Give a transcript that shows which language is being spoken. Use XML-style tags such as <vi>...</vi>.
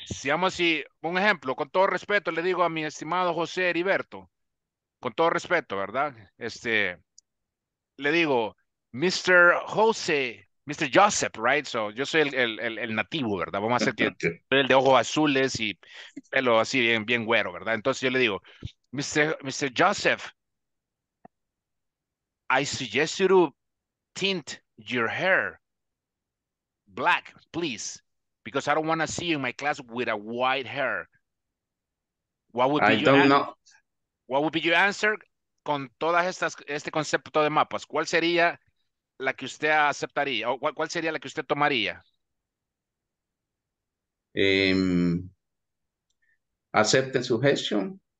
<es>Si un ejemplo, con todo respeto, le digo a mi estimado José Heriberto, con todo respeto, ¿verdad? Le digo, Mr. Jose, Mr. Joseph,</es> <en>right?</en> <es>So, yo soy el nativo, ¿verdad? Vamos a hacer que soy el de ojos azules y pelo así bien, bien güero, ¿verdad? Entonces yo le digo, Mr.</es> <en>Joseph, I suggest you to tint your hair black, please, because I don't want to see you in my class with a white hair. What would be your answer?</en> <es>Con todas estas, este concepto de mapas, ¿cuál sería la que usted aceptaría? O ¿cuál sería la que usted tomaría? ¿Acepte suggestion?</es>